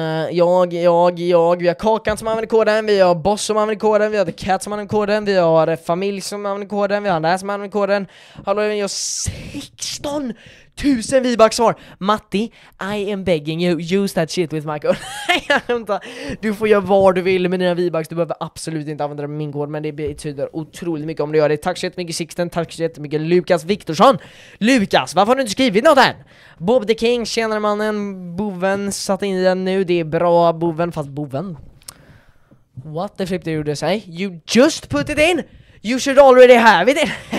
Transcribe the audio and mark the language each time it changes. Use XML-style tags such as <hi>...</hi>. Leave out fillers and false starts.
<sv>Jag, vi har Kakan som använder koden, vi har Boss som använder koden, vi har The Cat som använder koden, vi har Familj som använder koden, vi har Andrea som använder koden. Hallå, vi har 16 000 V-Bucks svar.</sv> <en>Matti, I am begging you, use that shit with my code.</en> <sv>Nej, vänta, du får göra vad du vill med dina V-Bucks, du behöver absolut inte använda min kod, men det betyder otroligt mycket om du gör det. Tack så jättemycket Sixten, tack så jättemycket Lukas Viktorsson. Lukas, varför har du inte skrivit något än? Bob the King, tjänare mannen, boven, satt in den nu, det är bra boven, fast boven.</sv> <en>What the flip did you just say? You just put it in? You should already have it in.</en>